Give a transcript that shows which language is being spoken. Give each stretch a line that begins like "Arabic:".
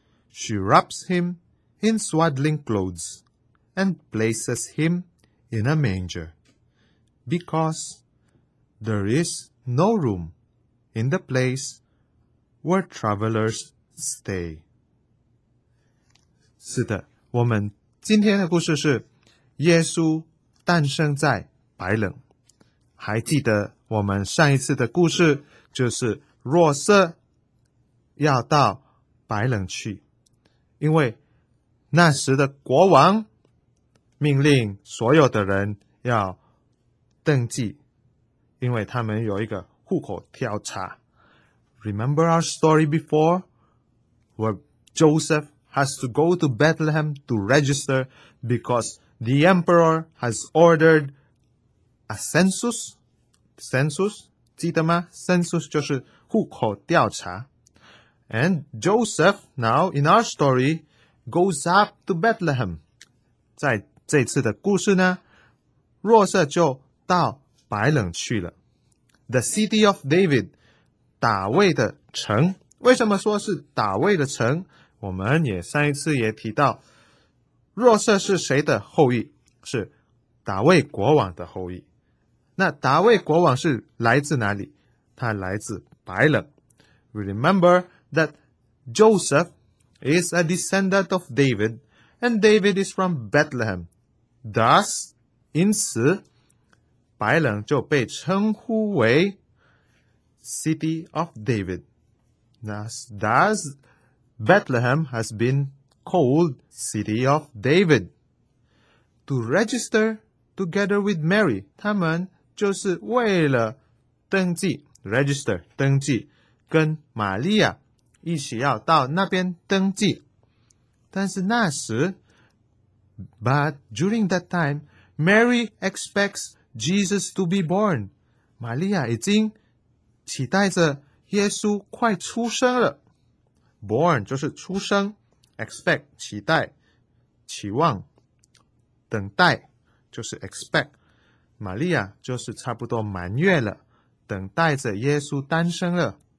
English: She wraps him in swaddling clothes. And places him in a manger, because there is no room in the place where travelers stay.
Chinese: 是的，我们今天的故事是耶稣诞生在白冷。还记得我们上一次的故事，就是若瑟要到白冷去，因为那时的国王命令所有的人要登记，因为他们有一个户口调查。
English: Remember our story before, where Joseph has to go to Bethlehem to register because the emperor has ordered a census?
Chinese: Census? 记得吗?Census 就是户口调查。
English: And Joseph, now in our story, goes up to Bethlehem.
Chinese: 在这次的故事呢，若瑟就到白冷去了。
English: The city of David,
Chinese: 大卫的城。为什么说是大卫的城？我们也上一次也提到，若瑟是谁的后裔？是大卫国王的后裔。那大卫国王是来自哪里？他来自白冷。
English: Remember that Joseph is a descendant of David, and David is from Bethlehem.
Chinese: Thus, 因此白冷就被称呼为 City of David.
English: Thus, Bethlehem has been called City of David. To register together with Mary,
Chinese: 他们就是为了登记 register, 登记跟玛利亚一起要到那边登记。但是那时
English: But during that time, Mary expects Jesus to be born.
Chinese: 玛利亚已经期待着耶稣快出生了。 Born 就是出生 ,expect, 期待,期望,等待就是 expect。玛利亚就是差不多满月了,等待着耶稣诞生了。